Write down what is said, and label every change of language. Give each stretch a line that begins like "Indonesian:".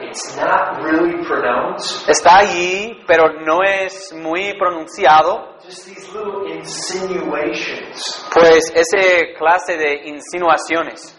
English: It's not really pronounced.
Spanish: Está allí, pero no es muy pronunciado.
English: Just these little insinuations.
Spanish: Pues ese clase de insinuaciones.